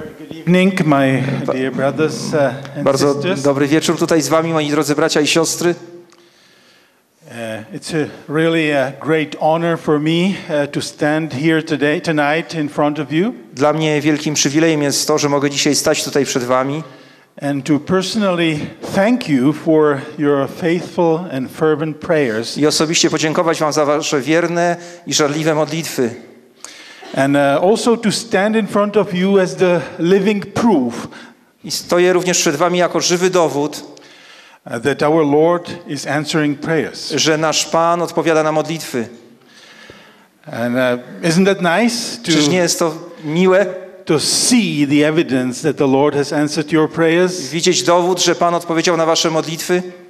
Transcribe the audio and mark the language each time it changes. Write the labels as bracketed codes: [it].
[en] evening, my dear brothers and sisters. [pl] Bardzo dobry wieczór tutaj z wami, moi drodzy bracia i siostry. [en] It's a really a great honor for me to stand here today tonight in front of you. [pl] Dla mnie wielkim przywilejem jest to, że mogę dzisiaj stać tutaj przed wami. [en] And to personally thank you for your faithful and fervent prayers. [pl] I osobiście podziękować wam za wasze wierne i żarliwe modlitwy. [en] And also to stand in front of you as the living proof. [pl] I stoję również przed wami jako żywy dowód, [en] that our Lord is answering prayers. [pl] Że nasz Pan odpowiada na modlitwy. [en] And isn't that nice [pl] to, czyż nie jest to miłe? [en] To see the evidence that the Lord has answered your prayers. [pl] Widzieć dowód, że Pan odpowiedział na wasze modlitwy.